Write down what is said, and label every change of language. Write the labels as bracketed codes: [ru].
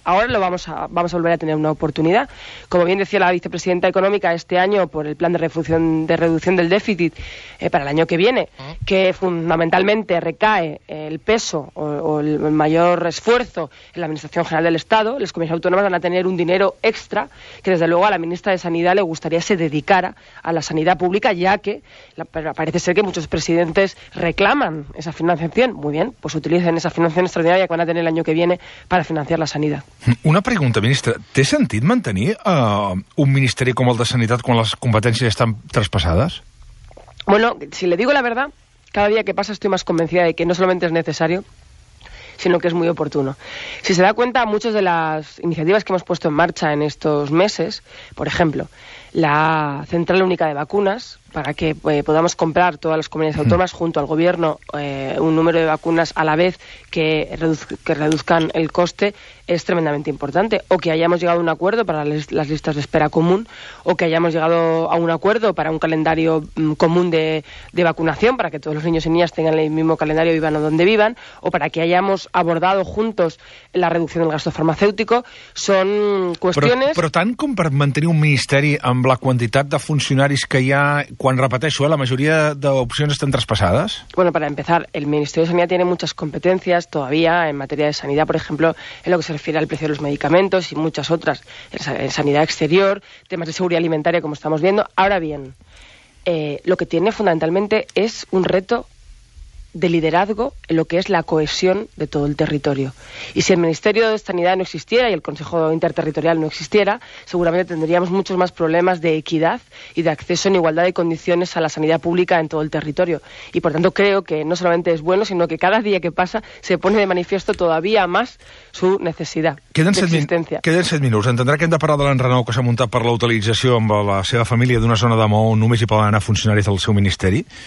[es] Ahora lo vamos a volver a tener una oportunidad. Como bien decía la vicepresidenta económica, este año, por el plan de reducción del déficit para el año que viene, que fundamentalmente recae el peso o el mayor esfuerzo en la Administración General del Estado, las comunidades autónomas van a tener un dinero extra que, desde luego, a la ministra de Sanidad le gustaría se dedicara a la sanidad pública, ya que parece ser que muchos presidentes reclaman esa financiación. Muy bien, pues utilicen esa financiación extraordinaria que van a tener el año que viene para financiar la sanidad. Una pregunta, ministra. [ca] ¿Té sentit mantenir un ministeri com el de Sanitat quan les competències estan traspassades? [es] Bueno, si le digo la verdad, cada día que pasa estoy más convencida de que no solamente es necesario, sino que es muy oportuno. Si se da cuenta, muchas de las iniciativas que hemos puesto en marcha en estos meses, por ejemplo, la Central Única de Vacunas, para que podamos comprar todas las comunidades autónomas junto al Gobierno un número de vacunas a la vez que reduzcan el coste, es tremendamente importante. O que hayamos llegado a un acuerdo para las listas de espera común, o que hayamos llegado a un acuerdo para un calendario común de vacunación, para que todos los niños y niñas tengan el mismo calendario, vivan o donde vivan, o para que hayamos abordado juntos la reducción del gasto farmacéutico, son cuestiones... [ca] Però tant com per mantenir un ministeri amb la quantitat de funcionaris que hi ha, quan repeteixo, la majoria d'opcions estan traspassades? [es] Bueno, para empezar, el Ministerio de Sanidad tiene muchas competencias todavía en materia de sanidad, por ejemplo, en lo que se refiere al precio de los medicamentos y muchas otras, en sanidad exterior, temas de seguridad alimentaria, como estamos viendo. Ahora bien, lo que tiene fundamentalmente es un reto de liderazgo en lo que es la cohesión de todo el territorio. Y si el Ministerio de Sanidad no existiera y el Consejo Interterritorial no existiera, seguramente tendríamos muchos más problemas de equidad y de acceso en igualdad de condiciones a la sanidad pública en todo el territorio. Y por tanto creo que no solamente es bueno, sino que cada día que pasa se pone de manifiesto todavía más su necesidad [ca] queden [es] de existencia. [ca] Queden 7 minuts. Entendrà que hem de parlar de l'enrenou que s'ha muntat per l'utilització amb la seva família d'una zona de Mou on només hi poden anar funcionaris del seu ministeri.